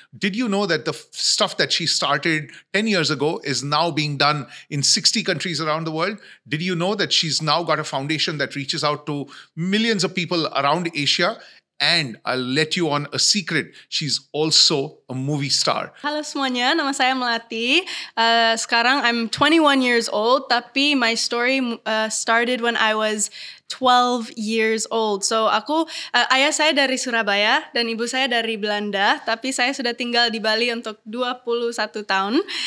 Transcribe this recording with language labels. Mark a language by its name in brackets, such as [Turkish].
[English] Did you know that the stuff that she started 10 years ago is now being done in 60 countries around the world? Did you know that she's now got a foundation that reaches out to millions of people around Asia? And I'll let you on a secret, she's also a movie star. [Indonesian] Halo semuanya, nama saya Melati. [English] Sekarang I'm 21 years old, tapi my story started when I was 12 years old. [Indonesian] So aku, ayah saya dari Surabaya dan ibu saya dari Belanda, tapi saya sudah tinggal di Bali untuk 21 tahun.